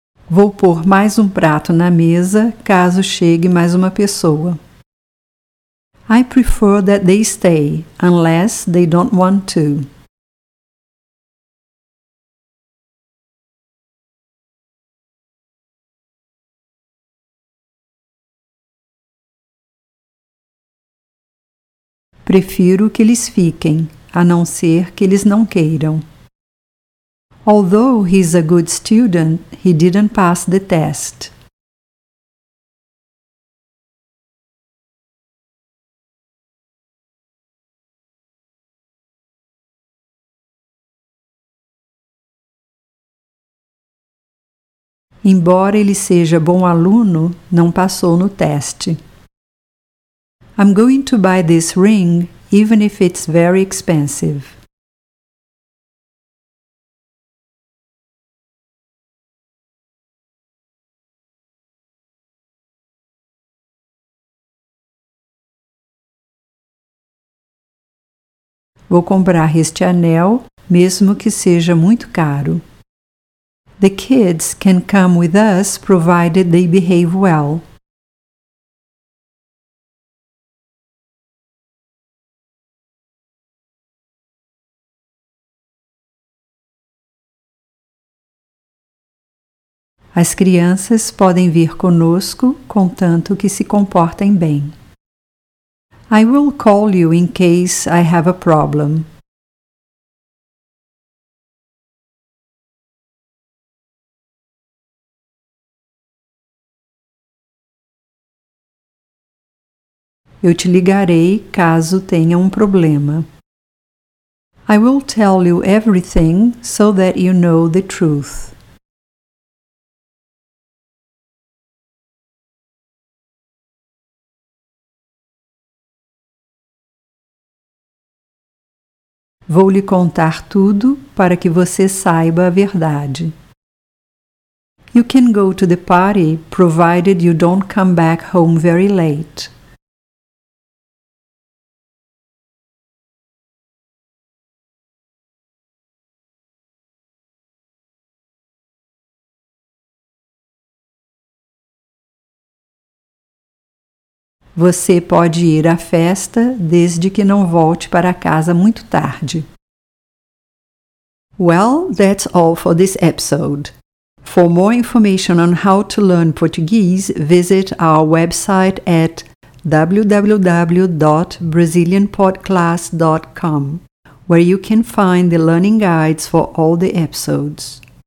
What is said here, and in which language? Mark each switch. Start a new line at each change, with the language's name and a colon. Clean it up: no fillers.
Portuguese: Vou pôr mais um prato na mesa caso chegue mais uma pessoa.
English: I prefer that they stay, unless they don't want to.
Portuguese: Prefiro que eles fiquem, a não ser que eles não queiram.
English: Although he's a good student, he didn't pass the test.
Portuguese: Embora ele seja bom aluno, não passou no teste.
English: I'm going to buy this ring, even if it's very expensive.
Portuguese: Vou comprar este anel, mesmo que seja muito caro.
English: The kids can come with us, provided they behave well.
Portuguese: As crianças podem vir conosco, contanto que se comportem bem.
English: I will call you in case I have a problem.
Portuguese: Eu te ligarei caso tenha um problema.
English: I will tell you everything so that you know the truth.
Portuguese: Vou lhe contar tudo para que você saiba a verdade.
English: You can go to the party provided you don't come back home very late.
Portuguese: Você pode ir à festa desde que não volte para casa muito tarde.
English: Well, that's all for this episode. For more information on how to learn Portuguese, visit our website at www.brazilianpodclass.com, where you can find the learning guides for all the episodes.